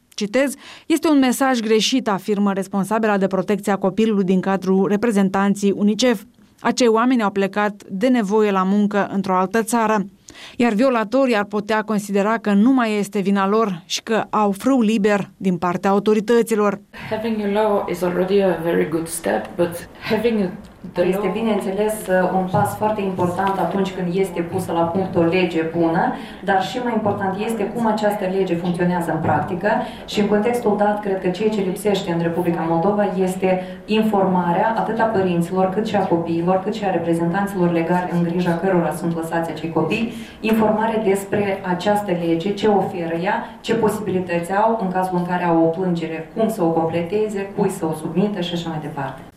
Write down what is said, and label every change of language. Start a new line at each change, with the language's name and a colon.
Romanian: Citez, este un mesaj greșit, afirmă responsabila de protecția copilului din cadrul reprezentanții UNICEF. Acei oameni au plecat de nevoie la muncă într-o altă țară, iar violatorii ar putea considera că nu mai este vina lor și că au frâu liber din partea autorităților.
English: Having a law is already a very good step, but having the law...
Romanian: Este bineînțeles un pas foarte important atunci când este pusă la punct o lege bună, dar și mai important este cum această lege funcționează în practică și în contextul dat, cred că ceea ce lipsește în Republica Moldova este informarea atât a părinților, cât și a copiilor, cât și a reprezentanților legali în grija cărora sunt lăsați acei copii, informare despre această lege, ce oferă ea, ce posibilități au în cazul în care au o plângere, cum să o completeze, cui să o submită și așa mai departe.